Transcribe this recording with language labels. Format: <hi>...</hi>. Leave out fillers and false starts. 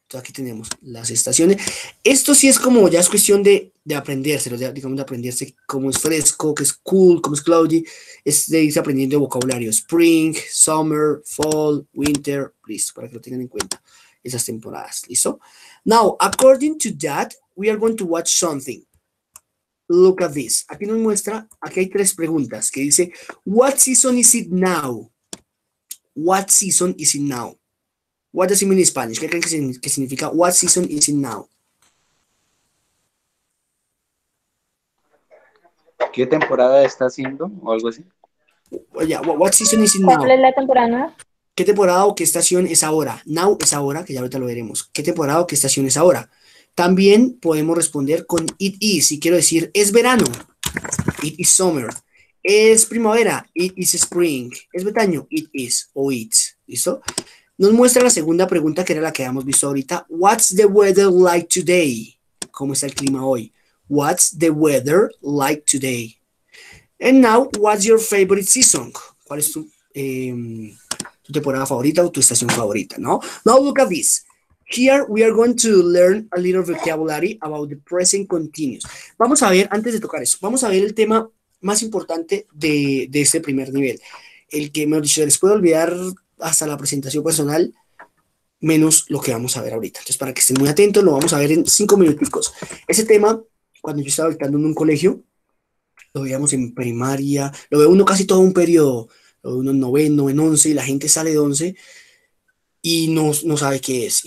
<es>Aquí tenemos las estaciones. Esto sí es como ya es cuestión de aprendérselo, digamos, de aprenderse cómo es fresco, qué es cool, cómo es cloudy. Es de irse aprendiendo vocabulario: spring, summer, fall, winter. Listo, para que lo tengan en cuenta esas temporadas. Listo.</es> <en>Now, according to that, we are going to watch something. Look at this.</en> <es>Aquí nos muestra, aquí hay tres preguntas que dice:</es> <en>What season is it now? What season is it now? What does it mean in Spanish?</en> <es>¿Qué creen que significa?</es> <en>What season is it now?</en> <es>¿Qué temporada está haciendo? O algo así.</es> <en>Yeah, what season is it now?</en> <es>¿Cuál es la temporada? ¿Qué temporada o qué estación es ahora? Now es ahora, que ya ahorita lo veremos. ¿Qué temporada o qué estación es ahora? También podemos responder con it is. Y quiero decir, es verano.</es> <en>It is summer.</en> <es>Es primavera.</es> <en>It is spring.</en> <es>Es verano. It is. O it's. ¿Listo? Nos muestra la segunda pregunta, que era la que habíamos visto ahorita.</es> <en>What's the weather like today?</en> <es>¿Cómo está el clima hoy?</es> <en>What's the weather like today? And now, what's your favorite season?</en> <es>¿Cuál es tu tu temporada favorita o tu estación favorita, ¿no?</es> <en>Now look at this. Here we are going to learn a little vocabulary about the present continuous.</en> <es>Vamos a ver, antes de tocar eso, vamos a ver el tema más importante de este primer nivel. El que, mejor dicho, les puedo olvidar hasta la presentación personal, menos lo que vamos a ver ahorita. Entonces, para que estén muy atentos, lo vamos a ver en 5 minuticos. Ese tema, cuando yo estaba dictando en un colegio, lo veíamos en primaria, lo ve uno casi todo un periodo, lo ve uno en noveno, en once, y la gente sale de once y no sabe qué es.</es>